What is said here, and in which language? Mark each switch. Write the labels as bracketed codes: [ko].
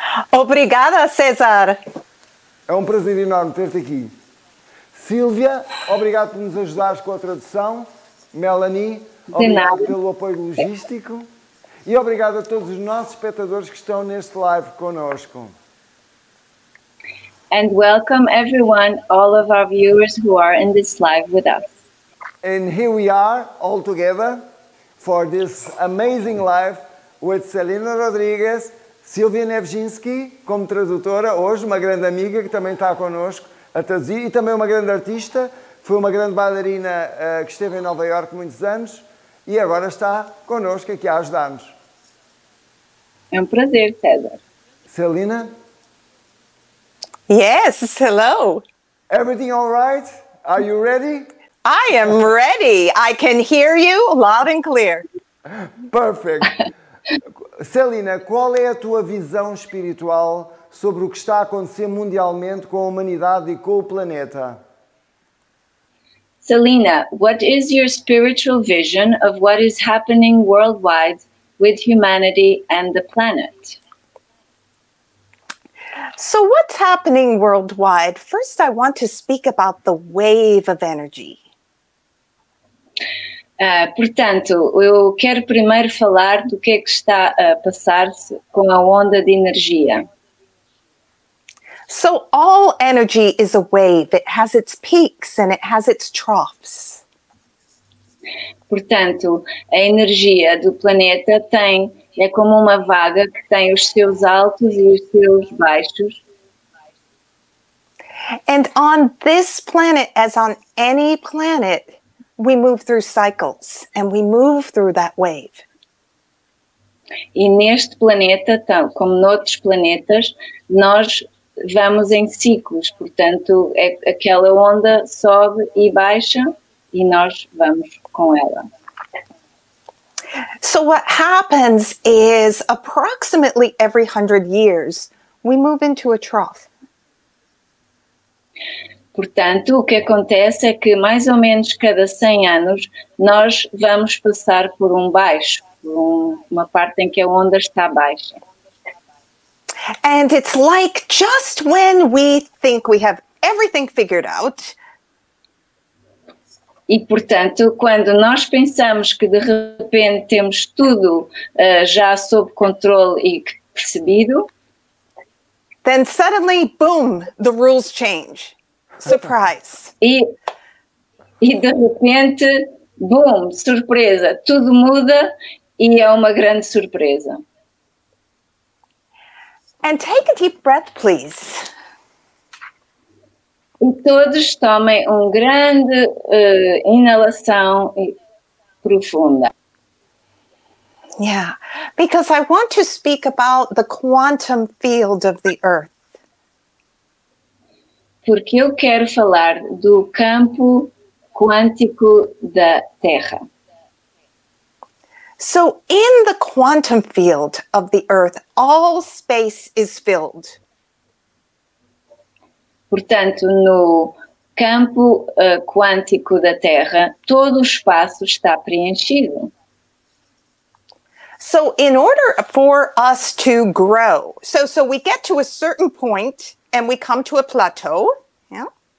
[pt] Obrigada, César. É um prazer enorme ter-te aqui. Sílvia, obrigado por nos ajudares com a tradução. Melanie, obrigado pelo apoio logístico. E obrigado a todos os nossos espectadores que estão neste live connosco. [en] And welcome everyone, all of our viewers who are in this live with us. And here we are, all together, for this amazing live with [pt] Celina Rodrigues, Silvia Nevzinski, como tradutora hoje, uma grande amiga que também está connosco a traduzir, e também uma grande artista, foi uma grande bailarina que esteve em Nova Iorque muitos anos, e agora está connosco aqui a ajudar-nos. É um prazer, César. Celina? [en] Yes, hello. Everything all right? Are you ready? I am ready. I can hear you loud and clear. Perfect. [pt] Celina, qual é a tua visão espiritual sobre o que está a acontecer mundialmente com a humanidade e com o planeta? [en] Celina, what is your spiritual vision of what is happening worldwide with humanity and the planet? So what's happening worldwide? First, I want to speak about the wave of energy. [pt] Portanto, eu quero primeiro falar do que está a passar-se com a onda de energia. [en] So all energy is a wave. It has its peaks and it has its troughs. [pt] Portanto, a energia do planeta tem... É como uma vaga que tem os seus altos e os seus baixos. [en] And on this planet, as on any planet, we move through cycles and we move through that wave. [pt] E neste planeta, tal como noutros planetas, nós vamos em ciclos. Portanto, é aquela onda sobe e baixa e nós vamos com ela. [en] So what happens is approximately every 100 years we move into a trough. [pt] Portanto, o que acontece é que mais ou menos cada 100 anos nós vamos passar por um baixo, uma parte em que a onda está baixa. [en] And it's like just when we think we have everything figured out. [pt] E, portanto, quando nós pensamos que de repente temos tudo já sob controle e percebido, [en] then suddenly, boom, the rules change. Surprise. [pt] E de repente, boom, surpresa, tudo muda e é uma grande surpresa. [en] And take a deep breath, please. [pt] E todos tomem uma grande inalação profunda. [en] Yeah, because I want to speak about the quantum field of the Earth. [pt] Porque eu quero falar do campo quântico da Terra. [en] So in the quantum field of the Earth, all space is filled. [pt] Portanto, no campo quântico da Terra, todo o espaço está preenchido. [en] So in order for us to grow, so we get to a certain point and we come to a plateau, yeah?